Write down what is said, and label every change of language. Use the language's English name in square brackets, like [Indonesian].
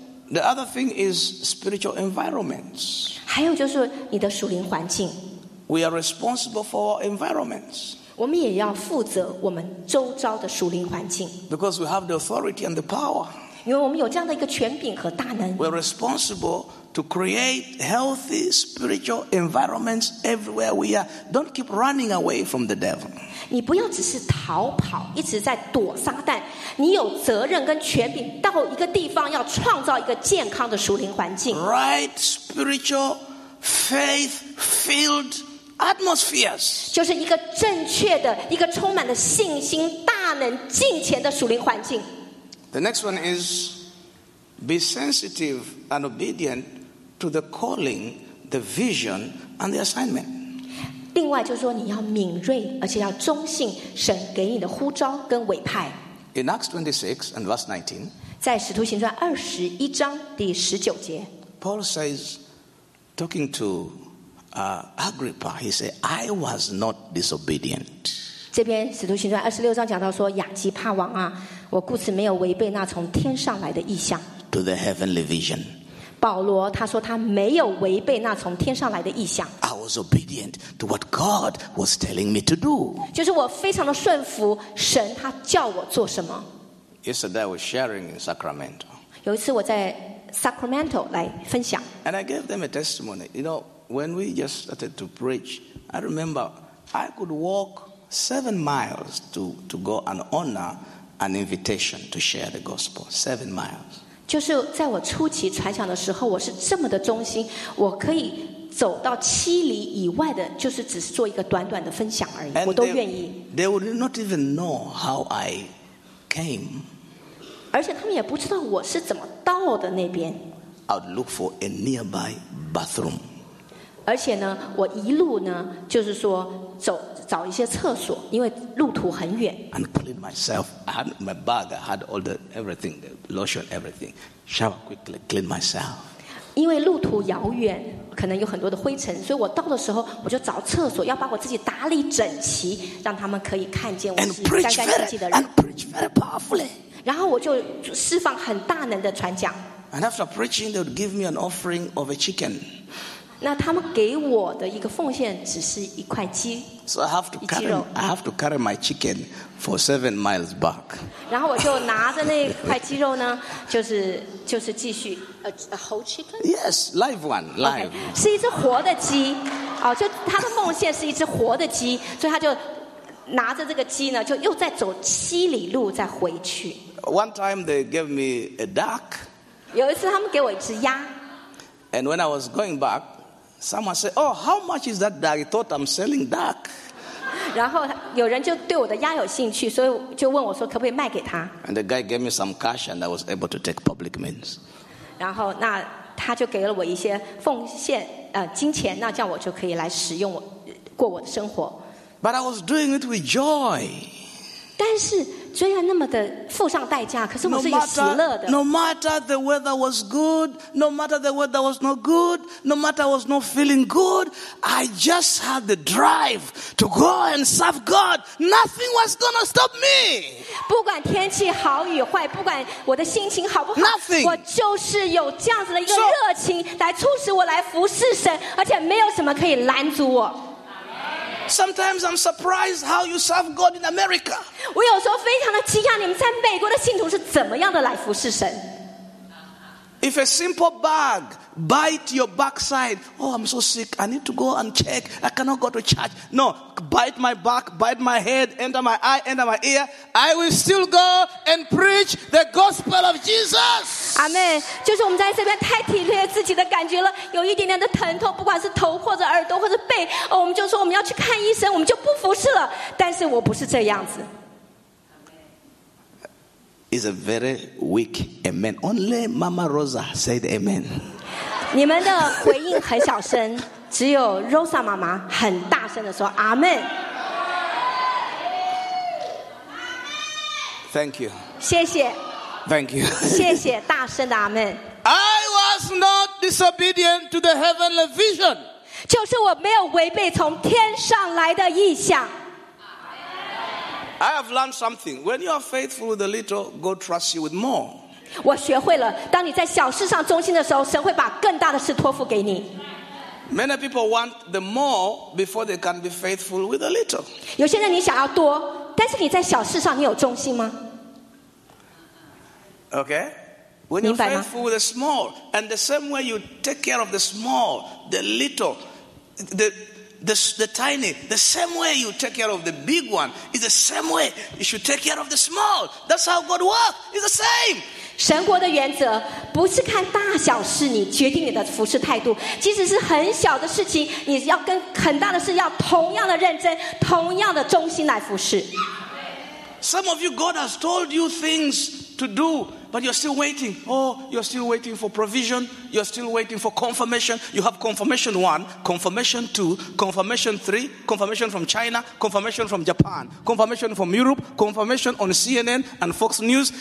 [English] The other thing is spiritual environments. [Chinese] 还有就是你的属灵环境。 [English] We are responsible for our environments. [Chinese] 我们也要负责我们周遭的属灵环境。 [English] Because we have the authority and the power. [Chinese] 因为我们有这样的一个权柄和大能。 [English] We are responsible. To create healthy spiritual environments everywhere we are. Don't keep running away from the devil. [Chinese] 你不要只是逃跑，一直在躲撒旦。你有责任跟权柄，到一个地方要创造一个健康的属灵环境。 [English] Right spiritual faith-filled atmospheres. [Chinese] 就是一个正确的，一个充满了信心、大能、敬虔的属灵环境。 [English] The next one is. Be sensitive and obedient to the calling, the vision, and the assignment. [Chinese] 另外就是说，你要敏锐，而且要忠信神给你的呼召跟委派。 [English] In Acts 26 and verse 19, [Chinese] 在使徒行传二十一章第十九节 [English] ，Paul says, talking to Agrippa, he said, "I was not disobedient." [Chinese] 这边使徒行传二十六章讲到说，亚基帕王啊，我故此没有违背那从天上来的意象。 [English] To the heavenly vision. [Chinese] 保罗他说他没有违背那从天上来的意象。 [English] I was obedient to what God was telling me to do. [Chinese] 就是我非常的顺服神，他叫我做什么。 [English] Yesterday I was sharing in Sacramento. [Chinese] 有一次我在 Sacramento 来分享。 [English] And I gave them a testimony. You know, when we just started to preach, I remember I could walk 7 miles to go and honor an invitation to share the gospel. 7 miles. [Chinese] 就是在我初期传讲的时候，我是这么的忠心，我可以走到七里以外的，就是只是做一个短短的分享而已，我都愿意。 [English] They would not even know how I came. [Chinese] 而且他们也不知道我是怎么到的那边。 [English] I would look for a nearby bathroom. [Chinese] 而且呢，我一路呢，就是说走找一些厕所，因为路途很远。 [English] And clean myself. I had my bag. I had all the everything. Lotion everything. Shower quickly. Clean myself. [Chinese] 因为路途遥远，可能有很多的灰尘，所以我到的时候，我就找厕所，要把我自己打理整齐，让他们可以看见我是干干净净的人。 [English] And preach very powerfully. [Chinese] 然后我就释放很大能的传讲。 [English] And after preaching, they would give me an offering of a chicken. [Chinese] 那他们给我的一个奉献只是一块鸡。 [English] So I have to carry, I have to carry my chicken for 7 miles back. [Chinese] 然后我就拿着那块鸡肉呢，就是继续 [English] a whole chicken. Yes, live one, live. [Chinese] Okay, 是一只活的鸡，哦，就他的奉献是一只活的鸡，所以他就拿着这个鸡呢，就又再走七里路再回去。 [English] One time they gave me a duck. [Chinese] 有一次他们给我一只鸭。 [English] And when I was going back, someone said, "Oh, how much is that duck?" I thought I'm selling duck. [Chinese] 然后有人就对我的鸭有兴趣，所以就问我说可不可以卖给他。 [English] And the guy gave me some cash, and I was able to take public means. [Chinese] 然后那他就给了我一些奉献，金钱，那这样我就可以来使用我过我的生活。 [English] But I was doing it with joy. [Chinese] 但是虽然那么的付上代价，可是我是有喜乐的。 [English] No matter the weather was good, no matter the weather was not good, no matter I was not feeling good, I just had the drive to go and serve God. Nothing was gonna stop me. [Chinese] 不管天气好与坏，不管我的心情好不好， [English] Nothing. [Chinese] 我就是有这样子的一个热情来促使我来服侍神，而且没有什么可以拦阻我。 [English] Sometimes I'm surprised how you serve God in America. [Chinese] 我有时候非常的惊讶，你们在美国的信徒是怎么样的来服侍神。 [English] If a simple bug bite your backside, oh, I'm so sick, I need to go and check. I cannot go to church. No, bite my back, bite my head, enter my eye, enter my ear. I will still go and preach the gospel of Jesus. Amen. [Chinese] 就是我们在这边太体贴自己的感觉了，有一点点的疼痛，不管是头或者耳朵或者背，哦，我们就说我们要去看医生，我们就不服侍了。但是我不是这样子。 [English] Is a very weak amen. Only Mama Rosa said amen. [Chinese] 你们的回应很小声，只有 Rosa 妈妈很大声的说阿门。 [English] Thank you. [Chinese] 谢谢。 [English] Thank you. [Chinese] 谢谢，大声的阿门。 [English] I was not disobedient to the heavenly vision. [Chinese] 就是我没有违背从天上来的意象。 [English] I have learned something. When you are faithful with a little, God trusts you with more. [Chinese] 我学会了，当你在小事上忠心的时候，神会把更大的事托付给你。 [English] Many people want the more before they can be faithful with a little. [Chinese] 有些人你想要多，但是你在小事上你有忠心吗？ [English] Okay. When you're faithful with the small, and the same way you take care of the small, the little, the tiny, the same way you take care of the big one is the same way you should take care of the small. That's how God works. It's the same. [Chinese] 神国的原则不是看大小事，你决定你的服事态度。即使是很小的事情，你要跟很大的事要同样的认真，同样的忠心来服事。 [English] Some of you, God has told you things to do, but you're still waiting. Oh, you're still waiting for provision. You're still waiting for confirmation. You have confirmation one, confirmation two, confirmation three, confirmation from China, confirmation from Japan, confirmation from Europe, confirmation on CNN and Fox News.